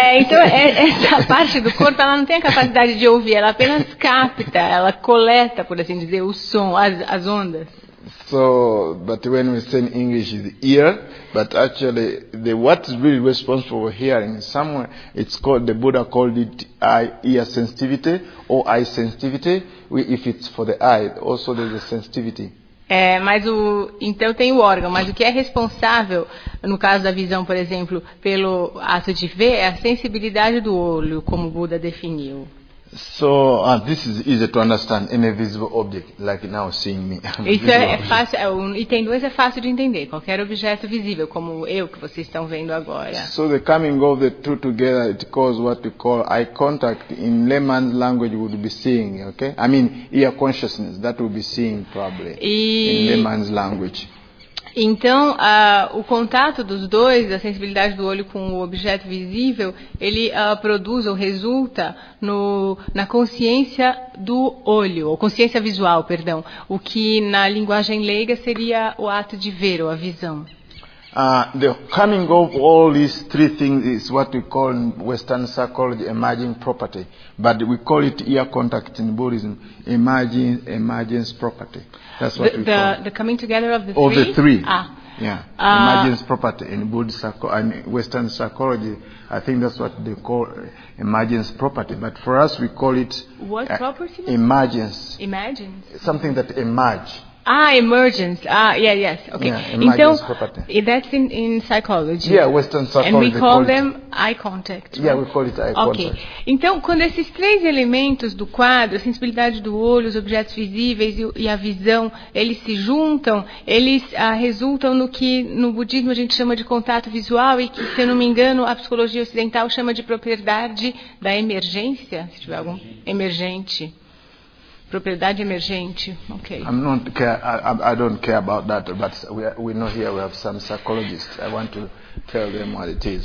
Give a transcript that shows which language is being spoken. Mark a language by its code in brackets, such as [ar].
[pt] Então, essa parte do corpo, ela não tem a capacidade de ouvir. Ela apenas capta, ela coleta, por assim dizer, o som, as ondas. [en] So, but when we say in English, it's ear, but actually, what is really responsible for hearing, somewhere, it's called, the Buddha called it ear sensitivity, or eye sensitivity. If it's for the eye, also there's a sensitivity. [pt] Então tem o órgão, mas o que é responsável, no caso da visão, por exemplo, pelo ato de ver, é a sensibilidade do olho, como o Buda definiu. [en] So this is easy to understand. An invisible object, like now seeing me. [pt] Isso é fácil. Item 2 é fácil de entender. Qualquer objeto visível, como eu que vocês estão vendo agora. [en] So the coming of the two together, it causes what we call eye contact. In layman's language, would be seeing. Okay, I mean ear consciousness. That would be seeing probably in layman's language. [pt] Então, o contato dos dois, a sensibilidade do olho com o objeto visível, ele produz ou resulta na consciência do olho, ou consciência visual, perdão, o que na linguagem leiga seria o ato de ver, ou a visão. [en] The coming of all these three things is what we call in Western psychology emerging property, but we call it ear contact in Buddhism, emergence property. That's what we call the coming together of the three. Of the three. Ah. Yeah. Emergence property in Buddhist and Western psychology. I think that's what they call emergence property. But for us, we call it what property? Emergence. Emergence. Something that emerge. Emergence. Yes. Okay. Yeah, emergence property. That's in psychology. Yeah, Western psychology. And we call them eye contact. Right? Yeah, we call it eye contact. Okay. [pt] Então, quando esses três elementos do quadro, a sensibilidade do olho, os objetos visíveis e a visão, eles se juntam, eles resultam no que no budismo a gente chama de contato visual e que, se eu não me engano, a psicologia ocidental chama de propriedade da emergência, se tiver algum emergente. Propriedade emergente, ok. [en] I don't care about that, but we know here we have some psychologists. I want to tell them what it is.